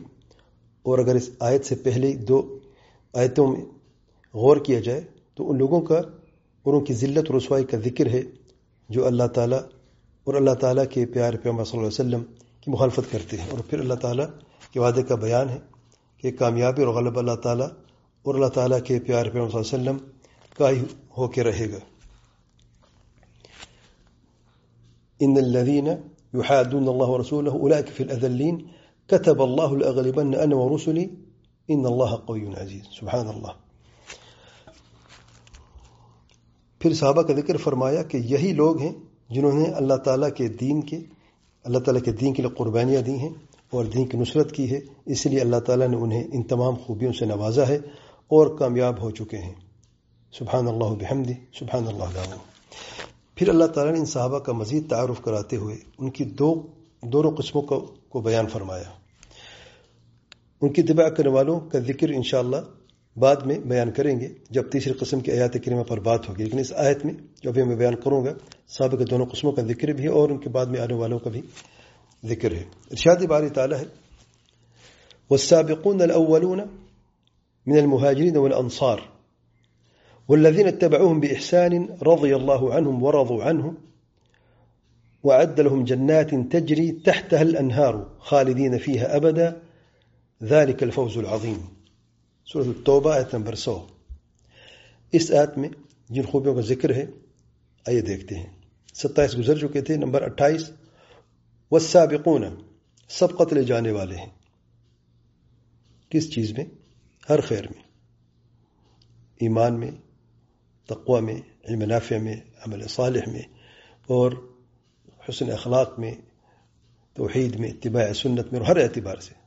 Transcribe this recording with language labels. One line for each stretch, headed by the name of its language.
Urdu: اور اگر اس آیت سے پہلے دو آیتوں میں غور کیا جائے تو ان لوگوں کا اور ان کی ذلت رسوائی کا ذکر ہے جو اللہ تعالیٰ اور اللہ تعالیٰ کے پیارے پیغمبر صلی اللہ علیہ وسلم کی مخالفت کرتے ہیں. اور پھر اللہ تعالیٰ کے وعدے کا بیان ہے کہ کامیابی اور غلب اللہ تعالیٰ اور اللہ تعالیٰ کے پیارے پیغمبر صلی اللہ علیہ وسلم کا ہی ہو کے رہے گا.
Arabic: ان الذين يحادون الله ورسوله اولئك في الاذلين كتب الله الاغلبن انا ورسلي ان الله قوي عزيز، سبحان الله.
Urdu: پھر صحابہ کا ذکر فرمایا کہ یہی لوگ ہیں جنہوں نے اللہ تعالیٰ کے دین کے لیے قربانیاں دی ہیں اور دین کی نصرت کی ہے، اس لیے اللہ تعالیٰ نے انہیں ان تمام خوبیوں سے نوازا ہے اور کامیاب ہو چکے ہیں،
Arabic: سبحان اللہ بحمدہ، سبحان اللہ العظیم.
Urdu: پھر اللہ تعالیٰ نے ان صحابہ کا مزید تعارف کراتے ہوئے ان کی دونوں قسموں کو بیان فرمایا. ان کی اتباع کرنے والوں کا ذکر انشاءاللہ بعد میں بیان کریں گے جب تیسری قسم کی آیات کریمہ پر بات ہوگی، لیکن اس آیت میں جو ابھی میں بیان کروں گا صحابہ کے دونوں قسموں کا ذکر بھی ہے اور ان کے بعد میں آنے والوں کا بھی ذکر ہے. ارشاد باری تعالیٰ ہے
Arabic: والسابقون الاولون من المهاجرین والانصار و والذين اتبعوهم بإحسان رضي الله عنهم ورضوا عنه وأعد لهم جنات تجري تحتها الأنهار خالدين فيها أبدا ذلك الفوز العظيم.
Urdu: سورة التوبة آية نمبر 100. اس آیت میں جن خوبیوں کا ذکر ہے آئیے دیکھتے ہیں. 27 گزر چکے تھے. نمبر 28 والسابقون, سب قتل جانے والے ہیں. کس چیز میں؟ ہر خیر میں, ایمان میں, تقوی میں, علم نافع میں, عمل صالح میں, اور حسن اخلاق میں, توحید میں, اتباع سنت میں, اور ہر اعتبار سے.